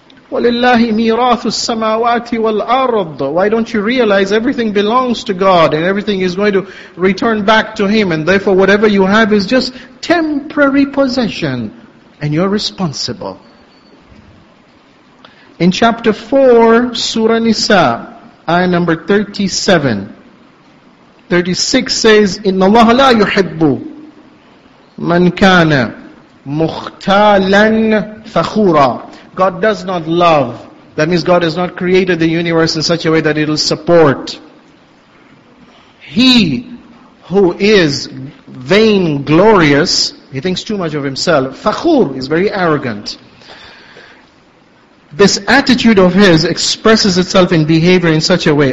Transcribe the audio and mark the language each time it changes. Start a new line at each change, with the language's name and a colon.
Arabic: وَلِلَّهِ مِيرَاثُ السَّمَاوَاتِ وَالْأَرْضِ.
English: Why don't you realize everything belongs to God and everything is going to return back to Him, and therefore whatever you have is just temporary possession and you're responsible. In chapter 4, Surah Nisa, ayah number 37, 36 says,
Arabic: إِنَّ اللَّهَ لَا يُحِبُّ مَنْ كَانَ مُخْتَالًا فَخُورًا.
English: God does not love. That means God has not created the universe in such a way that it will support. He who is vain glorious, he thinks too much of himself. فَخُور is very arrogant. This attitude of his expresses itself in behavior in such a way.